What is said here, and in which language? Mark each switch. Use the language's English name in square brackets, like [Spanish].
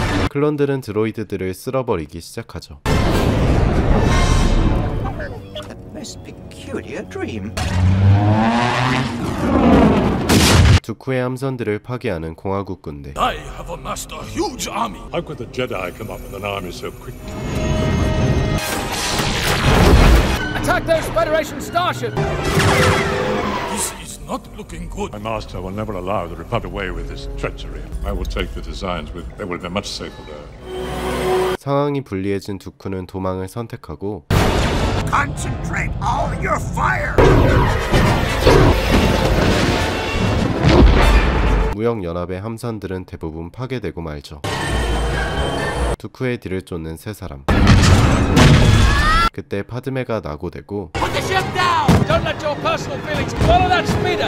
[Korean] 클론들은 드로이드들을 쓸어버리기 시작하죠. 두쿠의 함선들을 파괴하는 공화국 군대. [English] I have amassed a huge army. How could the Jedi come up with an army so quick? Attack those Federation starships! This is not looking good. My master will never allow the Republic away with this treachery. I will take the designs with. They will be much safer there. [Korean] 상황이 불리해진 두쿠는 도망을 선택하고. [English] Concentrate all your fire. [Korean] 무역 연합의 함선들은 대부분 파괴되고 말죠. 두쿠의 뒤를 쫓는 세 사람. 그때 파드메가 낙오되고 [English] Put the ship down! Don't let your personal feelings follow that speeder!